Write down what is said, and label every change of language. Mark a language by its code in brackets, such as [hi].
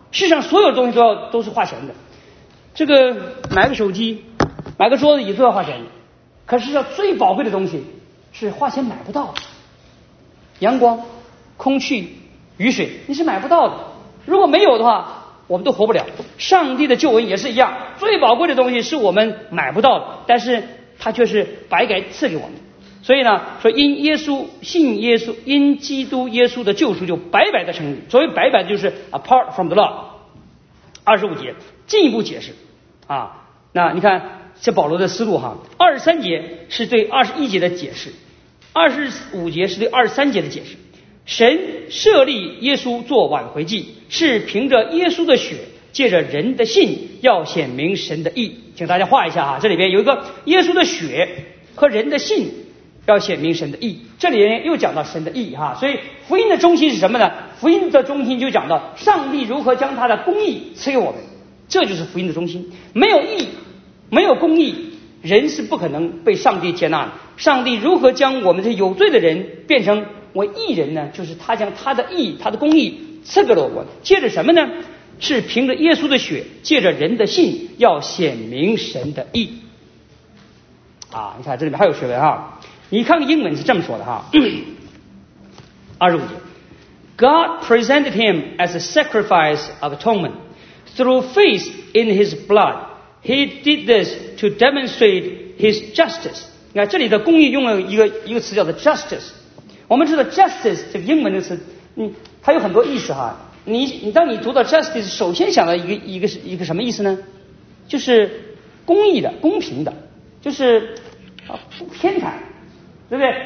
[zh] 世上所有东西都是花钱的，这个买个手机买个桌子椅子要花钱的，可是要最宝贵的东西是花钱买不到的，阳光、空气、雨水你是买不到的，如果没有的话我们都活不了。上帝的救恩也是一样，最宝贵的东西是我们买不到的，但是他却是白白赐给我们。所以呢，说因耶稣信耶稣，因基督耶稣的救赎就白白的成立。所谓白白的就是 [en] apart from the law。 [zh] 25节进一步解释啊，那你看这保罗的思路哈，23节是对21节的解释，25节是对23节的解释。神设立耶稣做挽回祭，是凭着耶稣的血，借着人的信，要显明神的义。请大家画一下哈，这里边有一个耶稣的血和人的信，要显明神的义。这里又讲到神的义哈，所以福音的中心是什么呢？福音的中心就讲到上帝如何将他的公义赐给我们，这就是福音的中心。没有义，没有公义，人是不可能被上帝接纳的。上帝如何将我们这有罪的人变成为义人呢？就是他将他的义、他的公义赐给了我们，借着什么呢？是凭着耶稣的血，借着人的信，要显明神的义。啊，你看这里面还有学问哈。你看个英文是这么说的哈， [en] 25节 ，God presented him as a sacrifice of atonement through faith in his blood. He did this to demonstrate his justice. [zh] 你看这里的公义用了一个词叫做 justice。我们知道 justice 这个英文的词，它有很多意思哈。你当你读到 justice， 首先想到一个什么意思呢？就是公义的、公平的，就是偏袒，对不对？